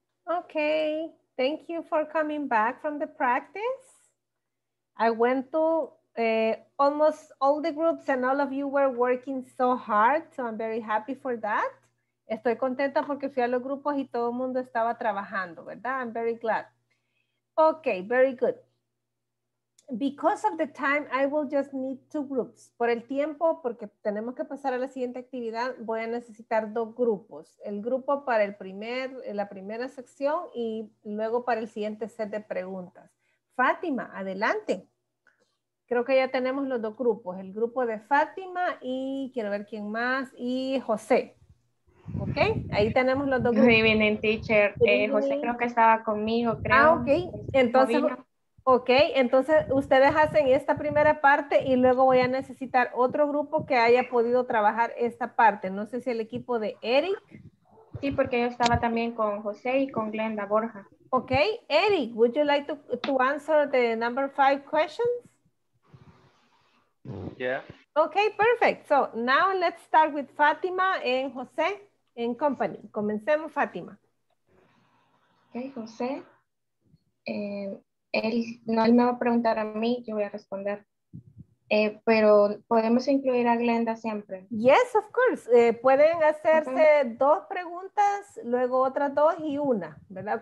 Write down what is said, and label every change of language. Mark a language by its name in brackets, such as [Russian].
[English] Okay, thank you for coming back from the practice. I went to almost all the groups and all of you were working so hard, so I'm very happy for that. [Spanish] Estoy contenta porque fui a los grupos y todo el mundo estaba trabajando, ¿verdad? [English] I'm very glad. Okay, very good. Because of the time, I will just need two groups. [Spanish] Por el tiempo, porque tenemos que pasar a la siguiente actividad, voy a necesitar dos grupos. El grupo para la primera sección y luego para el siguiente set de preguntas. Fátima, adelante. Creo que ya tenemos los dos grupos. El grupo de Fátima y quiero ver quién más. Y José. ¿Ok? Ahí tenemos los dos grupos. [English] Good evening, teacher. [Spanish] José creo que estaba conmigo, creo. Ah, ok. Entonces... Ok, entonces ustedes hacen esta primera parte y luego voy a necesitar otro grupo que haya podido trabajar esta parte. No sé si el equipo de Eric. Sí, porque yo estaba también con José y con Glenda Borja. [English] Ok, Eric, would you like to answer the number five questions? Yeah. Ok, perfect. So now let's start with Fátima and José and company. [Spanish] Comencemos, Fátima. Ok, José. Él me va a preguntar a mí, yo voy a responder. Pero podemos incluir a Glenda siempre. [English] Yes, of course. [Spanish] Pueden hacerse dos preguntas, luego otras dos y una, ¿verdad?